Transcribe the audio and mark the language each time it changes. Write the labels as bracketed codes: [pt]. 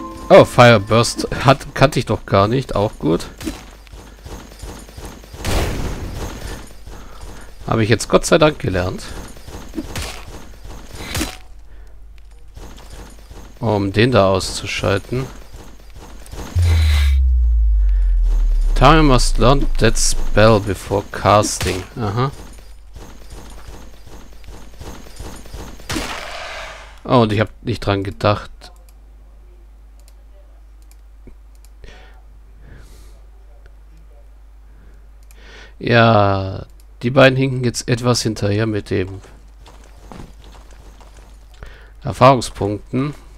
[de] Oh, Fireburst kannte ich doch gar nicht. Auch gut. Habe ich jetzt Gott sei Dank gelernt. Um den da auszuschalten. [en] Time must learn that spell before casting. [de] Aha. Oh, und ich habe nicht dran gedacht. Ja, die beiden hinken jetzt etwas hinterher mit dem Erfahrungspunkten.